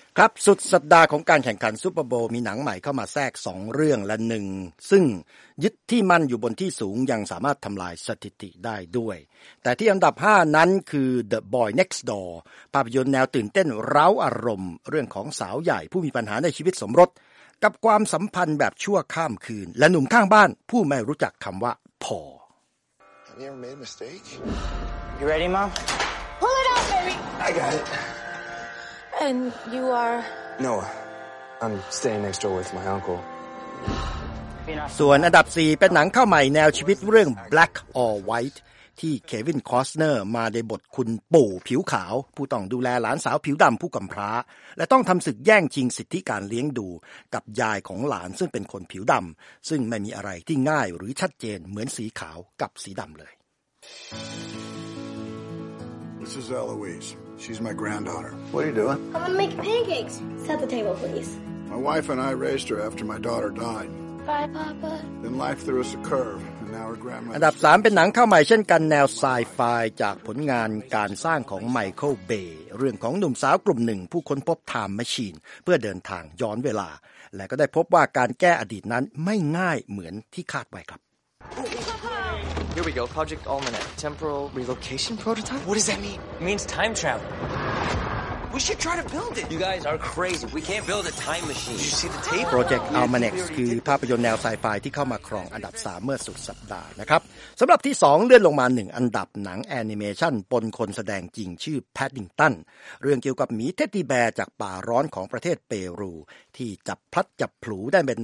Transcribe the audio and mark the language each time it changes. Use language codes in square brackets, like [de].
[th] ครับสุดสัปดาห์ของการแข่งขันซูเปอร์โบว์มีหนังใหม่เข้ามาแทรก2เรื่องและ1ซึ่งยึดที่มั่นอยู่บนที่สูงยังสามารถทำลายสถิติได้ด้วยแต่ที่อันดับ5นั้นคือ The Boy Next Door ภาพยนตร์แนวตื่นเต้นเร้าอารมณ์เรื่องของสาวใหญ่ผู้มีปัญหาในชีวิตสมรสกับความสัมพันธ์แบบชั่วข้ามคืนและหนุ่มข้างบ้านผู้ไม่รู้จักคำว่าพอ Have you ever made a mistake? [en] You ready, Mom? Pull it out, baby. I got itAnd you are Noah. I'm staying next door with my uncle. [th] ส่วนอันดับ4เป็นหนังเข้าใหม่แนวชีวิตเรื่อง Black or White ที่เควินคอสเนอร์มาในบทคุณปู่ผิวขาวผู้ต้องดูแลหลานสาวผิวดำผู้กำพร้าและต้องทำศึกแย่งชิงสิทธิการเลี้ยงดูกับยายของหลานซึ่งเป็นคนผิวดำซึ่งไม่มีอะไรที่ง่ายหรือชัดเจนเหมือนสีขาวกับสีดำเลย Mrs. [en] Eloise. She's my granddaughter. What are you doing? I'm gonna make pancakes. Set the table, please. My wife and I raised her after my daughter died. Bye, Papa. Then life threw us a curve. [th] อันดับ3เป็นหนังเข้าใหม่เช่นกันแนวไซไฟจากผลงานการสร้างของไมเคิลเบย์เรื่องของหนุ่มสาวกลุ่มหนึ่งผู้ค้นพบไทม์แมชชีนเพื่อเดินทางย้อนเวลาและก็ได้พบว่าการแก้อดีตนั้นไม่ง่ายเหมือนที่คาดไว้ครับ Here we go. [en] Project Almanac. Temporal relocation prototype. What does that mean? It means time travel. We should try to build it. You guys are crazy. We can't build a time machine. Did you see the tape? [th] Project Almanac คือภาพยนตร์แนวไซไฟที่เข้ามาครองอันดับ3เมื่อสุดสัปดาห์นะครับสำหรับที่2เลื่อนลงมา1อันดับหนังแอนิเมชันปนคนแสดงจริงชื่อแพดดิงตันเรื่องเกี่ยวกับหมีเท็ดดี้แบร์จากป่าร้อนของประเทศเปรูที่จับพลัดจับผลูไ